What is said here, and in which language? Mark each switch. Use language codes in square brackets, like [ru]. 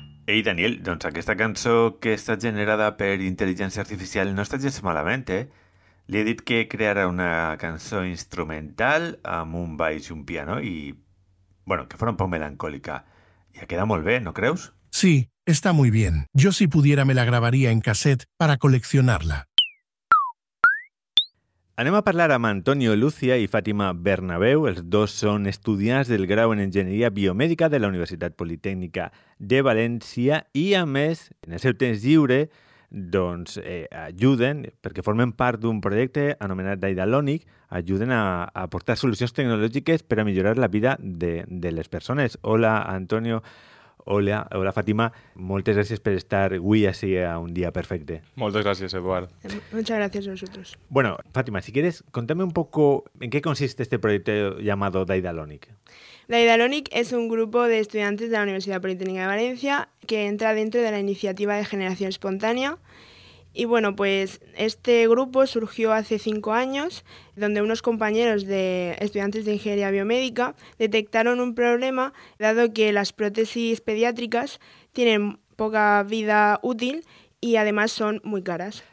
[ca] Ei, Daniel, doncs aquesta cançó que està generada per intel·ligència artificial no està gens malament, eh? Li he dit que crearà una cançó instrumental amb un baix i un piano i, bueno, que fora un poc melancòlica. Ja queda molt bé, no creus? [es] Sí, está muy bien. Yo si pudiera me la grabaría en cassette para coleccionarla. [ca] Anem a parlar amb Antonio Lucía i Fátima Bernabéu. Els dos són estudiants del grau en Enginyeria Biomèdica de la Universitat Politècnica de València i, a més, en el seu temps lliure, doncs, ajuden, perquè formen part d'un projecte anomenat Daidalonic, ajuden a aportar solucions tecnològiques per a millorar la vida de les persones. Hola, Antonio. Hola, hola, Fátima. Moltes gràcies per estar avui així a un dia perfecte. Moltes gràcies, Eduard. Moltes gràcies a vosaltres. [es] Bueno, Fátima, si quieres, contame un poco en qué consiste este proyecto llamado Daidalonic. Daidalonic es un grupo de estudiantes de la Universidad Politécnica de Valencia que entra dentro de la iniciativa de Generación Espontánea. Y bueno, pues este grupo surgió hace 5 años, donde unos compañeros de estudiantes de ingeniería biomédica detectaron un problema, dado que las prótesis pediátricas tienen poca vida útil y además son muy caras.